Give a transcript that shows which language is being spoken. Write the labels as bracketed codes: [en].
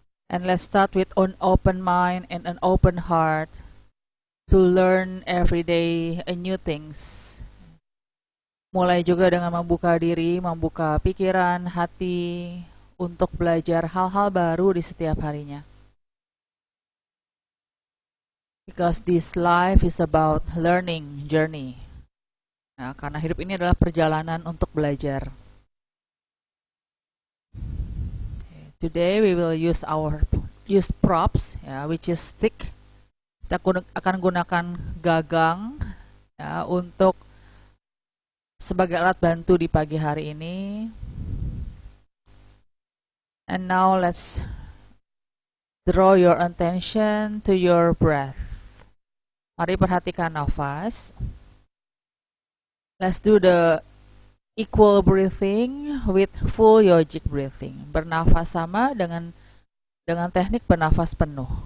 [en] And let's start with an open mind and an open heart to learn every day a new things. [id] Mulai juga dengan membuka diri, membuka pikiran, hati untuk belajar hal-hal baru di setiap harinya. [en] Because this life is about learning journey. [id] Nah, karena hidup ini adalah perjalanan untuk belajar. [en] Today we will use our use props, yeah, which is stick. [id] Kita akan gunakan gagang, yeah, untuk sebagai alat bantu di pagi hari ini. [en] And now let's draw your attention to your breath. Mari perhatikan nafas. Let's do the equal breathing with full yogic breathing. [id] Bernafas sama dengan teknik bernafas penuh.